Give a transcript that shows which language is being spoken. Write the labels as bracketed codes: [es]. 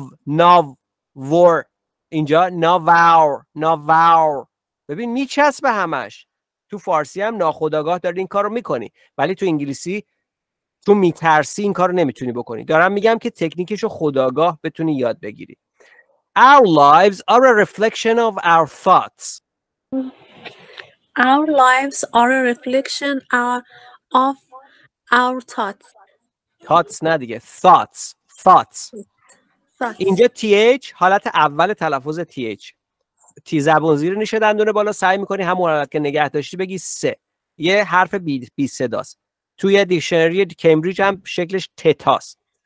[fa] Nav. اینجا Navour. ببین میچسبه همش. تو فارسی هم ناخودآگاه داری این کارو میکنی، ولی تو انگلیسی تو میترسی این کارو نمیتونی بکنی. دارم میگم که تکنیکشو خودآگاه بتونی یاد بگیری. [en] Our lives are a reflection of our thoughts. Our lives are a reflection of our thoughts. [fa] نه دیگه، thoughts. اینجا th حالت اول تلفظ th، تی زبون زیر نیشه دندونه بالا، سعی میکنی همون حالت که نگه داشتی بگی سه. یه حرف بی صداست. توی دیکشنری کمبریج هم شکلش تتاست.